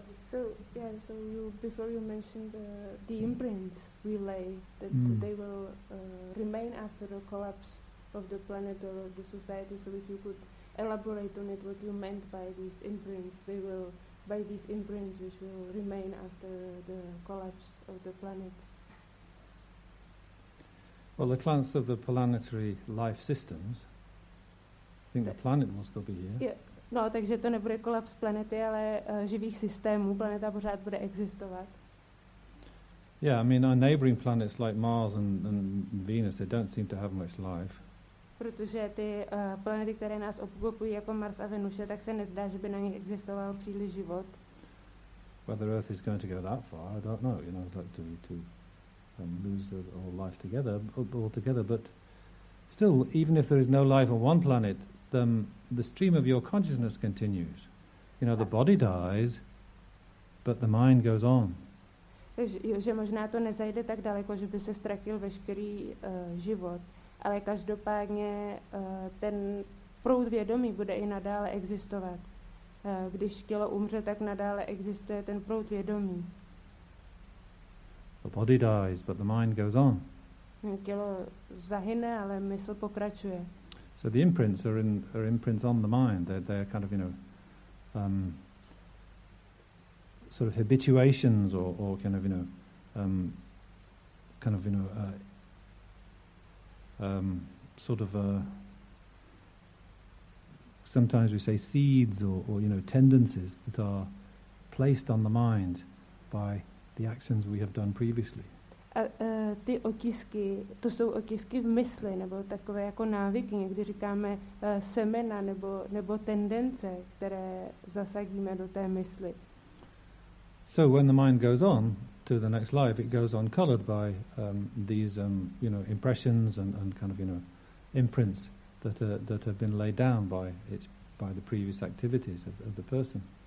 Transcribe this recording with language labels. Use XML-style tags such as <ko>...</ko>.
<en>So you, before you mentioned the imprint relay, that they will remain after the collapse of the planet or of the society, so if you could elaborate on it, what you meant by these imprints, they will, by these imprints which will remain after the collapse of the planet. Well, the collapse of the planetary life systems, I think the planet will still be here. Yeah.</en> <cs>No, takže to nebude kolaps planety, ale živých systémů. Planeta pořád bude existovat.</cs> <en>Yeah, I mean, our neighboring planets like Mars and Venus, they don't seem to have much life.</en> <cs>Protože ty planety, které nás obklopují jako Mars a Venuše, tak se nezdá, že by na nich existoval příliš život.</cs> <en>Whether Earth is going to go that far, I don't know. You know, I'd like to lose all life together, altogether. But still, even if there is no life on one planet, the stream of your consciousness continues. You know, the body dies, but the mind goes on.</en> <cs>Že možná to nezajde tak daleko, že by se ztratil veškerý život, ale každopádně ten proud vědomí bude i nadále existovat. Když tělo umře, tak nadále existuje ten proud vědomí.</cs> <en>The body dies, but the mind goes on.</en> <cs>Tělo zahyne, ale mysl pokračuje.</cs> <en>So the imprints are imprints on the mind. They're kind of, you know, sort of habituations or kind of, you know, sometimes we say seeds or you know, tendencies that are placed on the mind by the actions we have done previously.</en> <cs>Ty otisky, to jsou otisky v mysli, nebo takové jako návyky, někdy říkáme semena nebo tendence, které zasadíme do té mysli.</cs> <en>So when the mind goes on to the next life, it goes on colored by you know, impressions and kind of, you know, imprints that have been laid down by its, by the previous activities of the person.</en>